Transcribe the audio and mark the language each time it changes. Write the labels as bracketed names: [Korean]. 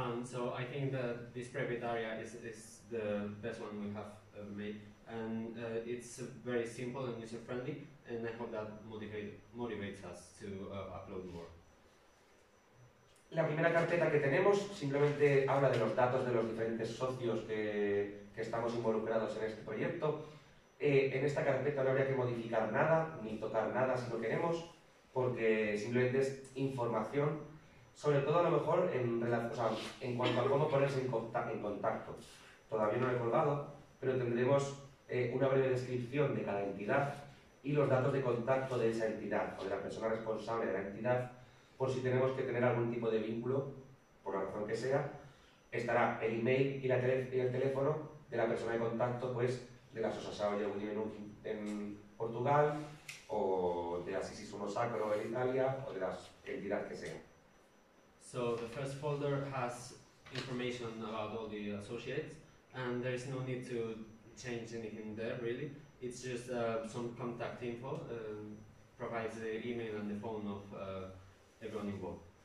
[English] So I think that this private area is the best one we have made, and it's very simple and user friendly. And I hope that motivates us to upload more. [Spanish] La primera carpeta que tenemos simplemente habla de los datos de los diferentes socios que estamos involucrados en este proyecto. En esta carpeta no habría que modificar nada, ni tocar nada si lo queremos, porque simplemente es información, sobre todo a lo mejor en cuanto a cómo ponerse en contacto. Todavía no lo he colgado, pero tendremos una breve descripción de cada entidad y los datos de contacto de esa entidad, o de la persona responsable de la entidad, por si tenemos que tener algún tipo de vínculo, por la razón que sea, estará el email y el teléfono de la persona de contacto, pues, de la Sosasao Yehudi en Portugal, o de la Sisi Sumo Sacro en Italia, o de la entidad que sea. [English] So, the first folder has information about all the associates, and there is no need to change anything there, really. It's just some contact info, provides the email and the phone of everyone involved.